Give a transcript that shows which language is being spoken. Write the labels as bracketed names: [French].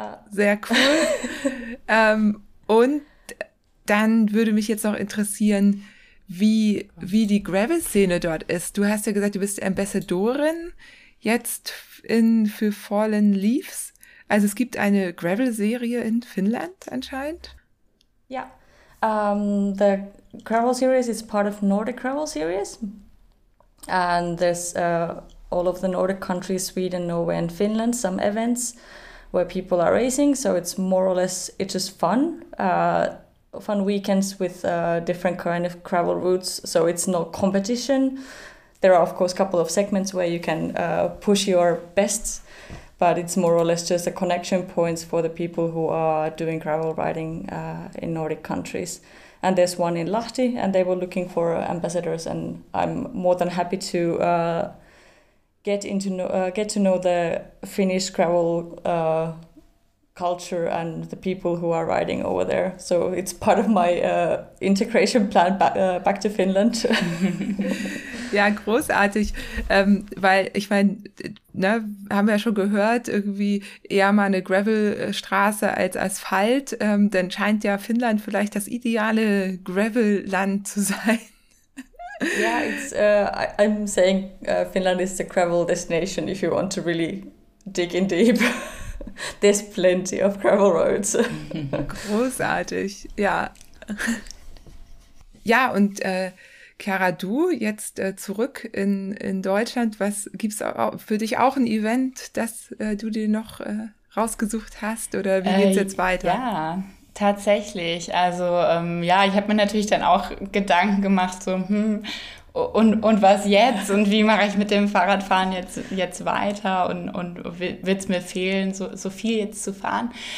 [German] Sehr cool. und dann würde mich jetzt noch interessieren, wie die Gravel-Szene dort ist. Du hast ja gesagt, du bist Ambassadorin jetzt für Fallen Leaves. Also es gibt eine Gravel-Serie in Finnland anscheinend. [English] Yeah, the Gravel Series is part of Nordic Gravel Series, and there's all of the Nordic countries, Sweden, Norway and Finland, some events where people are racing, so it's more or less, it's just fun weekends with different kind of gravel routes, so it's not competition. There are of course a couple of segments where you can push your best, but it's more or less just a connection points for the people who are doing gravel riding in Nordic countries. And there's one in Lahti, and they were looking for ambassadors, and I'm more than happy to get to know the Finnish gravel culture and the people who are riding over there. So it's part of my integration plan back to Finland. [German] Ja, großartig, weil ich meine, ne, haben wir ja schon gehört, irgendwie eher mal eine Gravelstraße als Asphalt, dann scheint ja Finnland vielleicht das ideale Gravelland zu sein. [English] Ja, I'm saying Finland is the gravel destination if you want to really dig in deep. There's plenty of gravel roads. [German] Großartig, ja. Ja, und Chiara, du jetzt zurück in Deutschland, was gibt's für dich auch ein Event, das du dir noch rausgesucht hast, oder wie geht's jetzt weiter? Ja, tatsächlich. Also ich habe mir natürlich dann auch Gedanken gemacht, so und was jetzt und wie mache ich mit dem Fahrradfahren jetzt weiter und wird's mir fehlen, so viel jetzt zu fahren?